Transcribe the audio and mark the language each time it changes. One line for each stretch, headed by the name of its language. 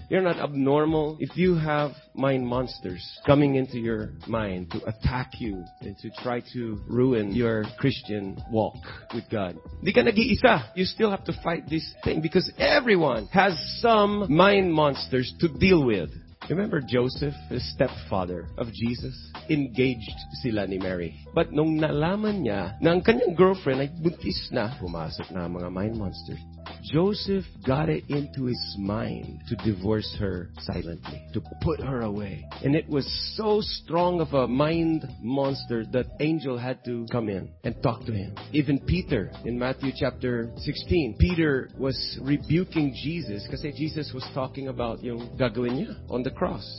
English: You're not abnormal. If you have mind monsters coming into your mind to attack you and to try to ruin your Christian walk with God,
Filipino: di ka nag-iisa.
English: You still have to fight this thing because everyone has some mind monsters to deal with. Remember Joseph, the stepfather of Jesus, engaged
Filipino: sila ni
English: Mary.
Filipino: But nung nalaman niya na ang kanyang girlfriend ay buntis na, pumasok na ang mga mind monsters.
English: Joseph got it into his mind to divorce her silently, to put her away. And it was so strong of a mind monster that angel had to come in and talk to him. Even Peter, in Matthew chapter 16, Peter was rebuking Jesus kasi Jesus was talking about
Filipino: yung gagawin niya
English: on the cross.